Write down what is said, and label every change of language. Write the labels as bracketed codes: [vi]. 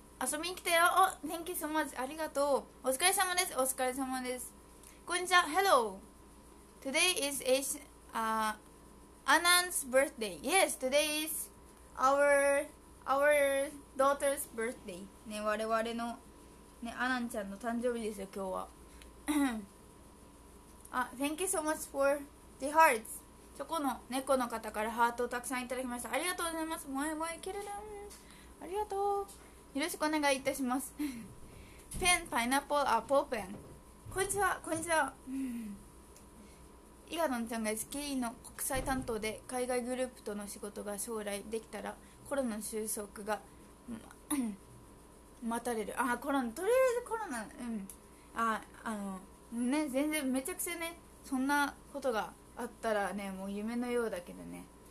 [ja] 遊びに来たよ。お、 [en] Thank you so much。 [ja] ありがとう。お疲れ様です。お疲れ様です。こんにちは。Hello。 [en] Today is Anand's birthday. Yes, today is our daughter's birthday. [ja] ね、我々のね、アナンちゃんの誕生日ですよ、今日は。 [en] あ、thank you so much for the hearts. [ja] チョコの猫の方からハートをたくさんいただきました。ありがとうございます。もえもえキルルン。ありがとう。よろしくお願いいたします。ペン、パイナップル、あ、ポーペン。こんにちは、こんにちは。伊賀のちゃんが SKE の国際担当で海外グループとの仕事が将来できたらコロナ収束が待たれる。あ、コロナ、とりあえずコロナ、うん、あのね、全然めちゃくちゃね、そんなことがあったらね、もう夢のようだけどね。